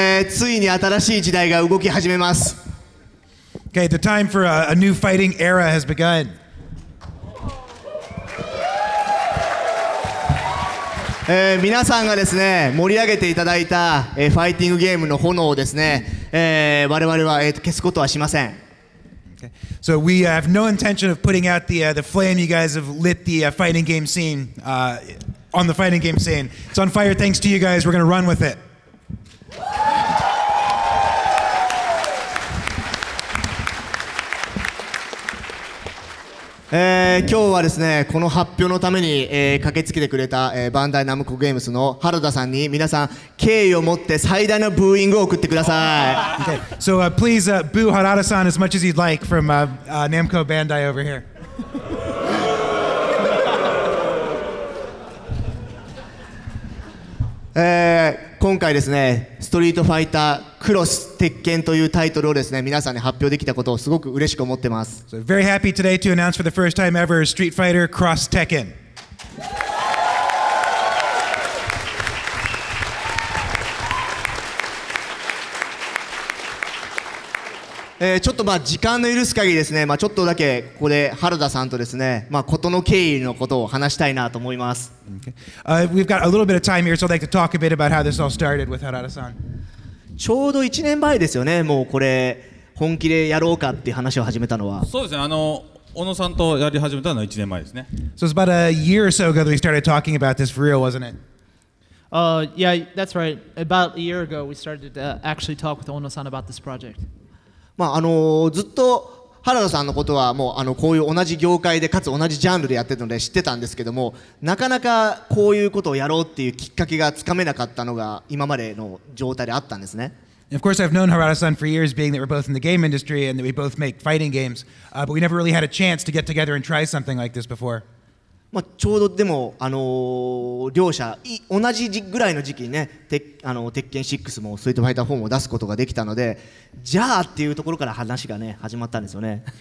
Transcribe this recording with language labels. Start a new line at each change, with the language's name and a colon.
Japanese: ついに新しい時代が動き始めます。
English: Okay, the time for a new fighting era has begun.
Japanese: 皆さんがですね、盛り上げていただいた、ファイティングゲームの炎をですね、我々は、消すことはしません。
English: Okay. So we have no intention of putting out the flame you guys have lit the fighting game scene, on the fighting game scene. It's on fire thanks to you guys, we're gonna run with it.
Japanese: 今日はですね、この発表のために、駆けつけてくれた、バンダイナムコゲームズの原田さんに皆さん敬意を持って最大のブーイングを送ってください。
English: Okay. So please boo Harada-san as much as you'd like from Namco Bandai over here.
Japanese: 今回ですね、ストリートファイタークロス鉄拳というタイトルをですね、皆さんに発表できたことをすごく嬉しく思ってます。
English: So, very happy today to announce for the first time ever Street Fighter Cross Tekken.
Japanese: ちょっとまあ時間の許す限りですね、まあ、ちょっとだけここで原田さんとですね、まあ、事の経緯のことを話したいなと思います。
English: Okay. We've got a little bit of time here, so I'd like to talk a bit about how this all started with Harada-san.
Japanese: ちょうど1年前ですよね、もうこれ本気でやろうかっていう話を始めたのは。そうですね、小野さんとやり始めたのは1年前ですね。
English: So it's about a year or so ago that we started talking about this for real, wasn't it? Yeah, that's right. About a year ago, we started to actually talk with 小野さん about this project.
Japanese: まあずっと原田さんのことはもうこういう同じ業界でかつ同じジャンルでやってるので知ってたんですけども、なかなかこういうことをやろうっていうきっかけがつかめなかったのが今までの状態であったんですね。
English: Of course I've known Harada-san for years, being that we're both in the game industry and that we both make fighting games, but we never really had a chance to get together and try something like this before.
Japanese: まあちょうどでも両者同じぐらいの時期にね、鉄拳6もストリートファイター4も出すことができたので、じゃあっていうところから話がね始まったんですよね。